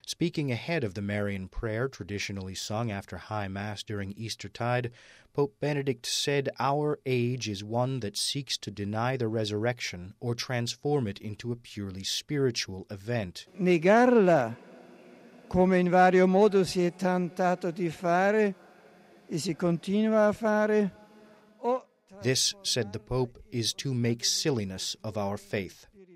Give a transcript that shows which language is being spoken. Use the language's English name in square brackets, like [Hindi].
[English] Speaking ahead of the Marian prayer traditionally sung after High Mass during Eastertide, Pope Benedict said, "Our age is one that seeks to deny the resurrection or transform it into a purely spiritual event." [Italian] Negarla, come in vario modo si è tentato di fare e si continua a fare. [English] This, said the Pope, is to make silliness of our faith.